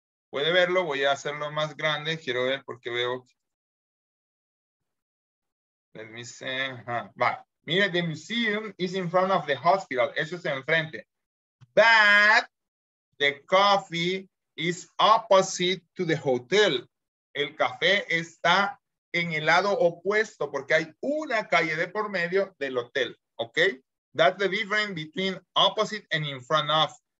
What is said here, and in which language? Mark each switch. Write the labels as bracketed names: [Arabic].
[Spanish] Puede verlo, voy a hacerlo más grande. Quiero ver porque veo. [English] Let me say. Mira, the museum is in front of the hospital. [Spanish] Eso es enfrente. [English] But the coffee is opposite to the hotel. [Spanish] El café está en el lado opuesto porque hay una calle de por medio del hotel. Ok. [English] That's the difference between opposite and in front of.